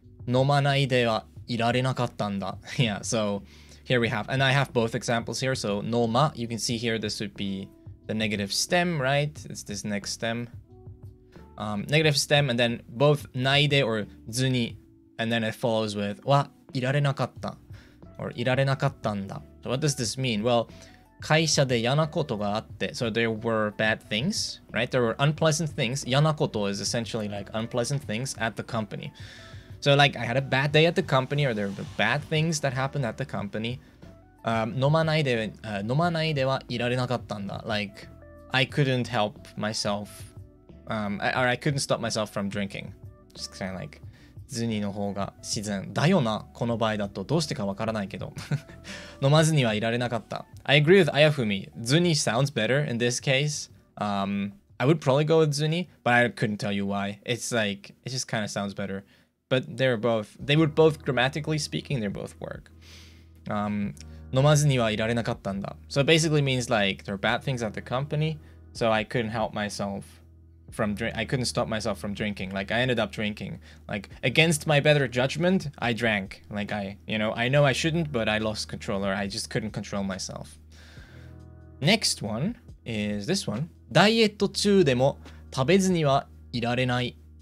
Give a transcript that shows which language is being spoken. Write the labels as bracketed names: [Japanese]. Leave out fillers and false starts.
[Japanese] 会社で嫌なことがあって飲まないではいられなかったんだ. [English] Yeah, so here we have, and I have both examples here. So noma, you can see here, this would be the negative stem, right? It's this next stem. Negative stem, and then both naide or zuni, and then it follows with wa irarenakatta, or irarenakattanda. So what does this mean? Well, [Japanese] 会社で嫌なことがあって, [English] so there were bad things, right? There were unpleasant things. 嫌なこと is essentially like unpleasant things at the company. So like I had a bad day at the company, or there were bad things that happened at the company. [Japanese] 飲まないではいられなかったんだ. [English] Like I couldn't help myself, or I couldn't stop myself from drinking. Just kind of like, [Japanese] ズニの方が自然だよな、この場合だとどうしてかわからないけど. 飲まずにはいられなかった. [English] I agree with Ayafumi. ズニ sounds better in this case. I would probably go with ズニ, but I couldn't tell you why. It's like it just kind of sounds better. But they would both, grammatically speaking, they both work. [Japanese] 飲まずにはいられなかったんだ. [English] So it basically means like there are bad things at the company, so I couldn't help myself from drinking. I couldn't stop myself from drinking. Like I ended up drinking. Like against my better judgment, I drank. Like I know I shouldn't, but I lost control, or I just couldn't control myself. Next one is this one. [Japanese] ダイエット中でも食べずにはいられない.